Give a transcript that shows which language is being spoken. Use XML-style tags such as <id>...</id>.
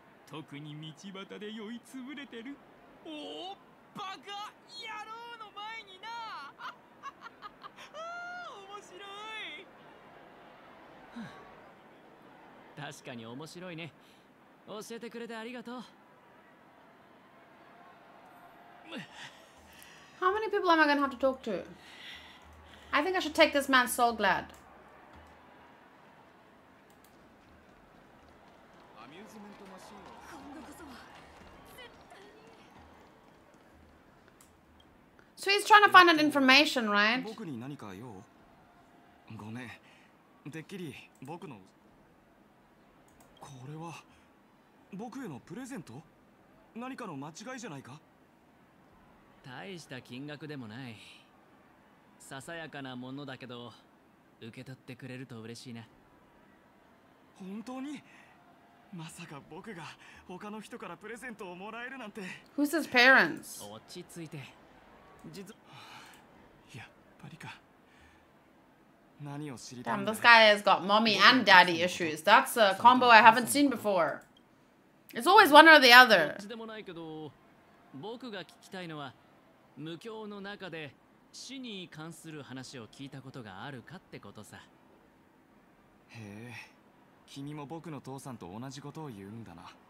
<ja>特に道端で酔いつぶれてる。おっ、バカ野郎の前にな。あ、面白い。確かに面白いね。教えてくれてありがとう。</ja> <en>How many people am I gonna have to talk to? I think I should take this man's soul glad. Amusement machine. So he's trying to find an information, right?</en> <ja>僕に何か用？ごめん。てっきり僕の。これは僕へのプレゼント？何かの間違いじゃないか？大した金額でもない。ささやかなものだけど受け取ってくれると嬉しいな。本当に？まさか僕が他の人からプレゼントをもらえるなんて。</ja> <en>Who's his parents?</en> <ja>落ち着いて。実はやっぱりか。何を知りたい？</ja> <en>Damn, this guy has got mommy and daddy issues. That's a combo I haven't seen before. It's always one or the other.</en> <ja>どっちでもないけど、僕が聞きたいのは無教の中で。死に関する話を聞いたことがあるかってことさ。へえ、君も僕の父さんと同じことを言うんだな。</ja>